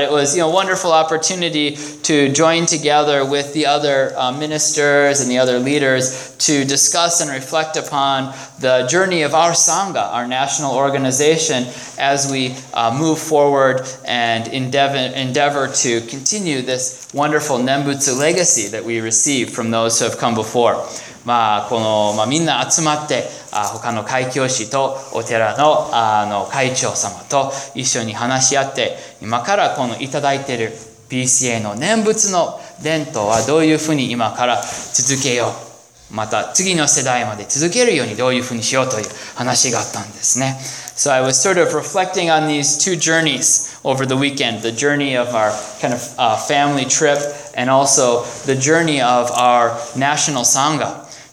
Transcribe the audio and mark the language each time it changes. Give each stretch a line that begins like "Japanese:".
English: it was, you know, a wonderful opportunity to join together with the other ministers and the other leaders to discuss and reflect upon the journey of our Sangha, our national organization, as we move forward and endeavor to continue this wonderful Nembutsu legacy that we receive from those who have come before.
Japanese: みんな集まって、他の会長師とお寺の会長様と一緒に話し合って、今からこのいただいている BCAの念仏の伝統はどういうふうに今から続けよう、また次の世代まで続けるようにどういうふうにしようという話があったんですね。
English: So I was sort of reflecting on these two journeys over the weekend, the journey of our kind of family trip and also the journey of our national sangha.